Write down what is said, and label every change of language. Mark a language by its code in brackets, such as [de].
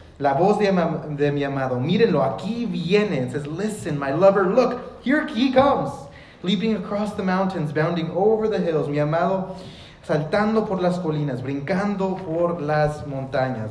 [es] La voz de mi amado, mírenlo, aquí viene. [en] It says, listen, my lover, look, here he comes, leaping across the mountains, bounding over the hills. [es] Mi amado, saltando por las colinas, brincando por las montañas.